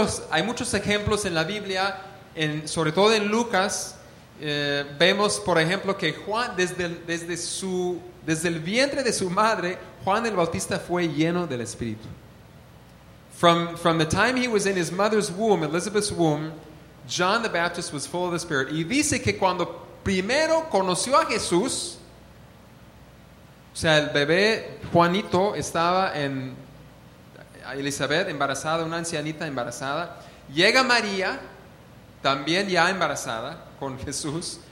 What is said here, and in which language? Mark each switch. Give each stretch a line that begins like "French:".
Spanish: Hay muchos ejemplos en la Biblia, sobre todo en Lucas. Vemos, por ejemplo, que Juan, desde el vientre de su madre, Juan el Bautista fue lleno del Espíritu.
English: From the time he was in his mother's womb, Elizabeth's womb, John the Baptist was full of the Spirit.
Spanish: Y dice que cuando primero conoció a Jesús, o sea, el bebé Juanito estaba en Elizabeth embarazada, una ancianita embarazada. Llega María, también ya embarazada con Jesús.